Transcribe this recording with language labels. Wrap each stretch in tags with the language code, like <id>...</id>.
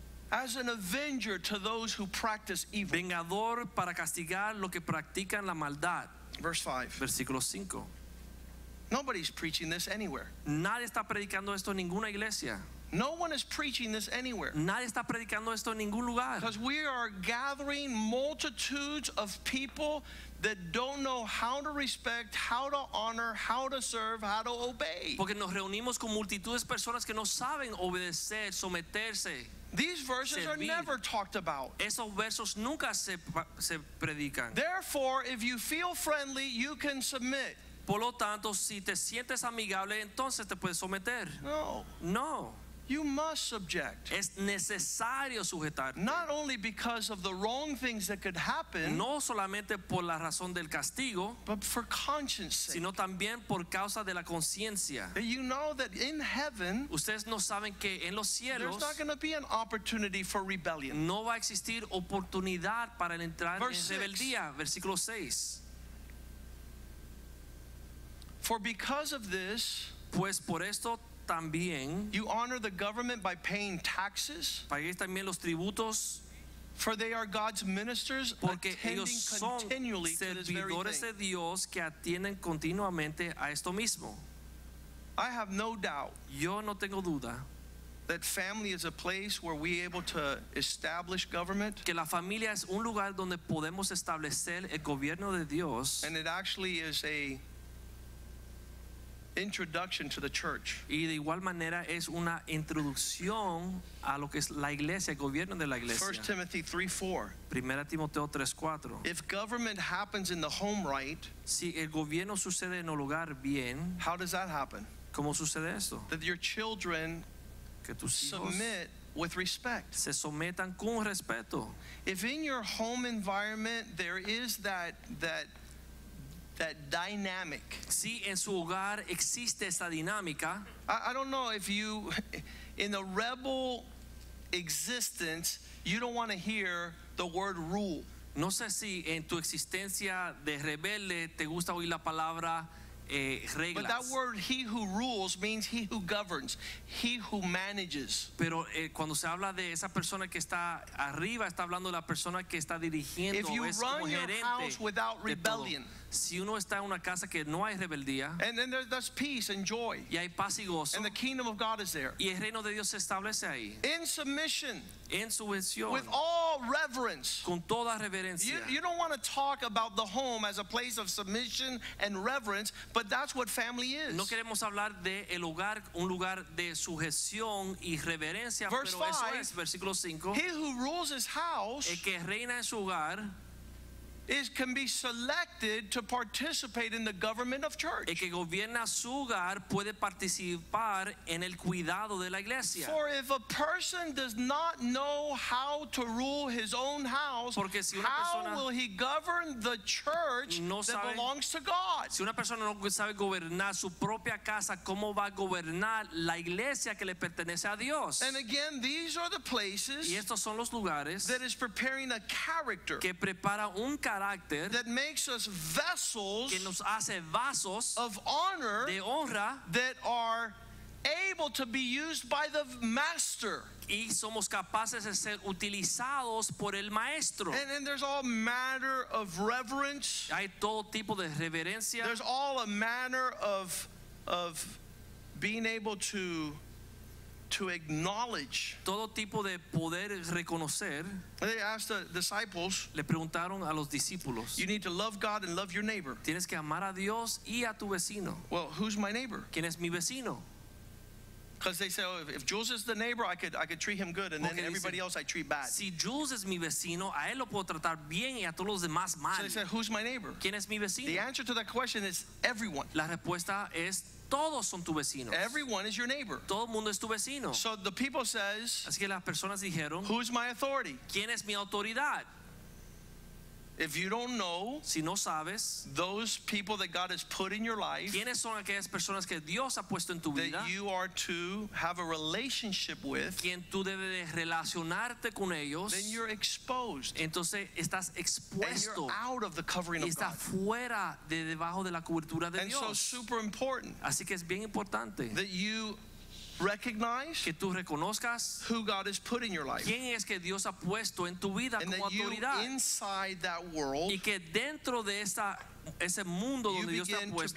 <en>As an avenger to those who practice evil.</en> <es>Vengador para castigar lo que practican la maldad.</es> <en>Verse 5.</en> <es>Versículo 5.</es> <en>Nobody's preaching this anywhere.</en> <es>Nadie está predicando esto en ninguna iglesia.</es> <en>No one is preaching this anywhere.</en> <es>Nadie está predicando esto en ningún lugar.</es> <en>Because we are gathering multitudes of people that don't know how to respect, how to honor, how to serve, how to obey.</en> <es>Porque nos reunimos con multitudes de personas que no saben obedecer, someterse.</es> <en>These verses are never talked about.</en> <es>Esos versos nunca se predican.</es> <en>Therefore, if you feel friendly, you can submit.</en> <es>Por lo tanto, si te sientes amigable, entonces te puedes someter.</es> <en>No.</en> <es>No.</es> <en>You must subject.</en> <es>Es necesario sujetarte.</es> <en>Not only because of the wrong things that could happen.</en> <es>No solamente por la razón del castigo.</es> <en>But for conscience sake.</en> <es>Sino también por causa de la conciencia.</es> <en>You know that in heaven.</en> <es>Ustedes no saben que en los cielos.</es> <en>There's not going to be an opportunity for rebellion.</en> <es>No va a existir oportunidad para el entrar</es> <en>Verse</en> <es>en rebeldía.</es> <en>Six.</en> <es>Versículo 6.</es> <en>For because of this.</en> <es>Pues por esto. También,</es> <en>you honor the government by paying taxes.</en> <es>Pagues también los tributos.</es> <en>For they are God's ministers,</en> <es>porque</es> <en>attending</en> <es>ellos son</es> <en>continually to this very thing.</en> <es>De Dios que atienden continuamente a esto mismo.</es> <en>I have no doubt.</en> <es>Yo no tengo duda.</es> <en>That family is a place where we able to establish government.</en> <es>Que la familia es un lugar donde podemos establecer el gobierno de Dios.</es> <en>And it actually is a introduction to the church.</en> <es>Y de igual manera es una introducción a lo que es la iglesia, el gobierno de la iglesia.</es> <en>1 Timothy 3:4.</en> <es>Primera Timoteo 3:4.</es> <en>If government happens in the home right,</en> <es>si el gobierno sucede en el hogar bien,</es> <en>how does that happen?</en> <es>¿Cómo sucede esto?</es> <en>That your children</en> <es>que tus hijos</es> <en>submit with respect.</en> <es>Se sometan con respeto.</es> <en>If in your home environment there is that dynamic.</en> <es>Si en su hogar existe esa dinámica.</es> <en>I don't know if you, in the rebel existence, you don't want to hear the word rule.</en> <es>No sé si en tu existencia de rebelde te gusta oír la palabra reglas.</es> <en>But that word, he who rules, means he who governs, he who manages.</en> <es>Pero cuando se habla de esa persona que está arriba, está hablando de la persona que está dirigiendo, es como gerente.</es> <en>If you run your house without rebellion.</en> <es>Si uno está en una casa que no hay rebeldía,</es> <en>and then there's peace and joy,</en> <es>y hay paz y gozo,</es> <en>and the kingdom of God is there,</en> <es>y el reino de Dios se establece ahí,</es> <en>in submission,</en> <es>en sujeción,</es> <en>with all reverence,</en> <es>con toda reverencia.</es> <en>You don't want to talk about the home as a place of submission and reverence, but that's what family is.</en> <es>No queremos hablar de el hogar un lugar de sujeción y reverencia.</es> <en>Verse</en> <es>pero eso</es> <en>five,</en> <es>es versículo 5.</es> <en>He who rules his house,</en> <es>el que reina en su hogar,</es> <en>is can be selected to participate in the government of church.</en> <es>El que gobierna su hogar puede participar en el cuidado de la iglesia.</es> <en>For if a person does not know how to rule his own house,</en> <es>porque si una</es> <en>how</en> <es>persona</es> <en>will he govern the church</en> <es>no sabe,</es> <en>that belongs to God?</en> <es>Si una persona no sabe gobernar su propia casa, ¿cómo va a gobernar la iglesia que le pertenece a Dios?</es> <en>And again, these are the places,</en> <es>y estos son los lugares,</es> <en>that is preparing a character,</en> <es>que prepara un</es> <en>that makes us vessels,</en> <es>que nos hace vasos</es> <en>of honor,</en> <es>de honra,</es> <en>that are able to be used by the master.</en> <es>Y somos capaces de ser utilizados por el maestro.</es> <en>And there's all manner of reverence.</en> <es>Hay todo tipo de reverencia.</es> <en>There's all a manner of being able to acknowledge.</en> <es>Todo tipo de poder reconocer.</es> <en>They asked the disciples,</en> <es>le preguntaron a los discípulos,</es> <en>you need to love God and love your neighbor.</en> <es>Tienes que amar a Dios y a tu vecino.</es> <en>Well, who's my neighbor?</en> <es>¿Quién es mi vecino?</es> <en>Because they say, oh, if Jules is the neighbor, I could treat him good, and okay, then everybody</en> <es>dice,</es> <en>else I treat bad.</en> <es>Si Jules es mi vecino, a él lo puedo tratar bien y a todos los demás mal.</es> <en>So they said, who's my neighbor?</en> <es>¿Quién es mi vecino?</es> <en>The answer to that question is everyone.</en> <es>La respuesta es todos son tu vecinos.</es> <en>Everyone is your neighbor.</en> <es>Todo el mundo es tu vecino.</es> <en>So the people says,</en> <es>así que las personas dijeron,</es> <en>who's my authority?</en> <es>¿Quién es mi autoridad?</es> <en>If you don't know,</en> <es>si no sabes,</es> <en>those people that God has put in your life,</en> <es>¿quiénes son aquellas personas que Dios ha puesto en tu vida,</es> <en>that you are to have a relationship with,</en> <es>quien tú debes de relacionarte con ellos,</es> <en>then you're exposed.</en> <es>Entonces estás expuesto.</es> <en>And you're out of the covering of God.</en> <es>Y estás fuera de debajo de la cobertura de</es> <en>and</en> <es>Dios.</es> <en>And so super important.</en> <es>Así que es bien importante</es> <en>that you recognize</en> <es>que tú reconozcas</es> <en>who God has put in your life.</en> <es>Quién es que Dios ha puesto en tu vida como autoridad.</es> <en>You inside that world,</en> <es>y que dentro de esa, ese mundo donde Dios te ha puesto,</es>